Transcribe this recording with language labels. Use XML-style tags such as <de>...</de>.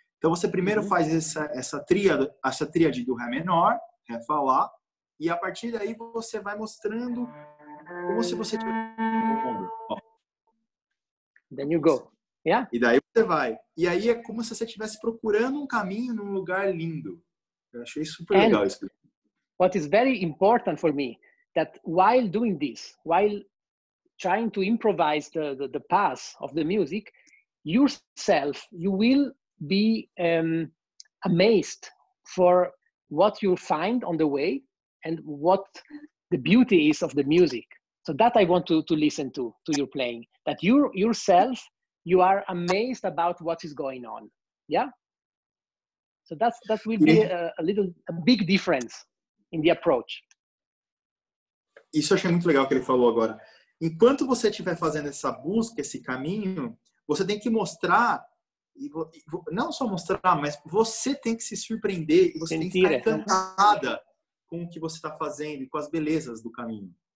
<pt>Então, você primeiro faz essa tríade do Ré menor, Ré Fá Lá, e a partir daí você vai mostrando como se você tivesse.</pt> <en>Then you go. Yeah?</en> <pt>E daí você vai. E aí é como se você estivesse procurando um caminho num lugar lindo. Eu achei super</pt> <en>and</en> <pt>legal isso.</pt> <en>What is very important for me that while doing this, while trying to improvise the path of the music, yourself, you will be amazed for what you find on the way. And what the beauty is of the music. So that I want to listen to your playing. That you yourself, you are amazed about what is going on. Yeah? So that will be a big difference in the approach.</en> <pt>Isso eu achei muito legal que ele falou agora. Enquanto você estiver fazendo essa busca, esse caminho, você tem que mostrar, não só mostrar, mas você tem que se surpreender e você tem que estar encantada com o que você está fazendo e com as belezas do caminho.</pt>